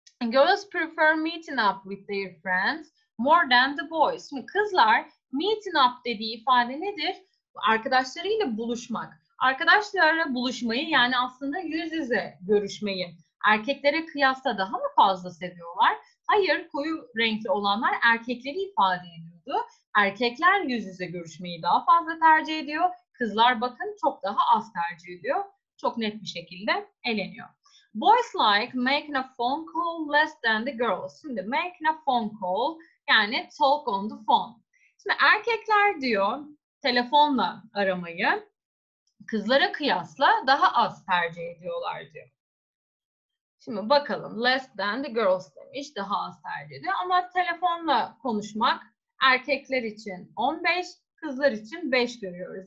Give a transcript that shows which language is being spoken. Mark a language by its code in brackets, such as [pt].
[en] Girls prefer meeting up with their friends more than the boys. [tr] Şimdi kızlar meeting up dediği ifade nedir? Arkadaşlarıyla buluşmak. Arkadaşlarla buluşmayı yani aslında yüz yüze görüşmeyi erkeklere kıyasla daha mı fazla seviyorlar? Hayır, koyu renkli olanlar erkekleri ifade ediyordu. Erkekler yüz yüze görüşmeyi daha fazla tercih ediyor. Kızlar bakın çok daha az tercih ediyor. Çok net bir şekilde eleniyor. [en] Boys like making a phone call less than the girls. [tr] Şimdi [en] making a phone call Yani talk on the phone. [tr] Şimdi erkekler diyor telefonla aramayı kızlara kıyasla daha az tercih ediyorlar diyor. Şimdi bakalım [en] less than the girls [tr] demiş, daha az tercih ediyor. Ama telefonla konuşmak erkekler için 15, kızlar için 5 görüyoruz.